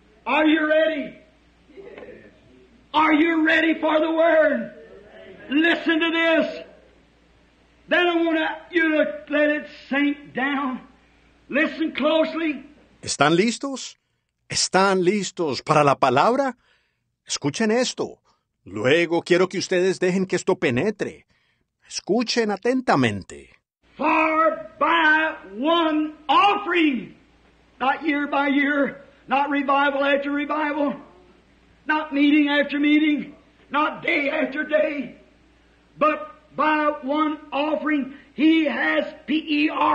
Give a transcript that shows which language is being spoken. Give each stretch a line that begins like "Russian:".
English: Are you ready? Are you ready for the word? Listen to this. Then I want you to let it sink down. Listen closely.
Spanish: ¿Están listos? ¿Están listos para la palabra? Escuchen esto. Luego quiero que ustedes dejen que esto penetre. Escuchen atentamente.
English: For by one offering, not year by year, not revival after revival, not meeting after meeting, not day after day, but by one offering, he has perfected.